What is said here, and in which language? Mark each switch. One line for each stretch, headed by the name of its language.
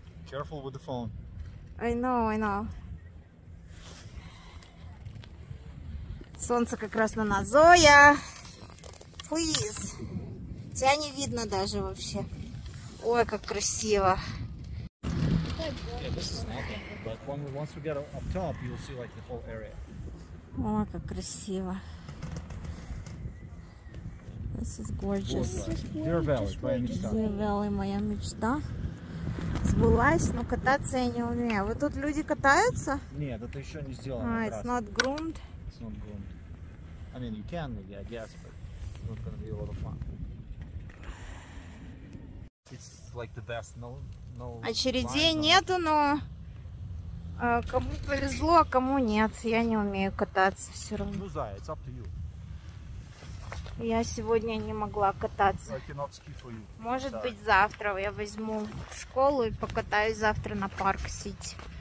English: Careful with the phone. I know, I know.
Russian: Солнце как раз на нас. Зоя,
English: please.
Russian: Тебя не видно даже вообще. Ой, как красиво.
English: Yeah, this is nothing. But once we get up top, you'll see like the whole area.
Russian: Ой, как красиво.
English: This is gorgeous. Deer Valley, my dream.
Russian: Deer Valley, моя мечта. Сбылась, но кататься я не умею. Вы тут люди катаются? Нет, это еще не сделано.
English: It's not groomed. It's not groomed. I mean, you can, I guess, but it's not gonna be a lot of fun. like the best. No, no.
Russian: Очередей нету, но кому повезло, а кому нет. Я не умею кататься все равно.
English: Ну, Зая, it's up to you.
Russian: Я сегодня не могла кататься.
English: I cannot ski for you.
Russian: Может быть, завтра я возьму в школу и покатаюсь завтра на парк Сити.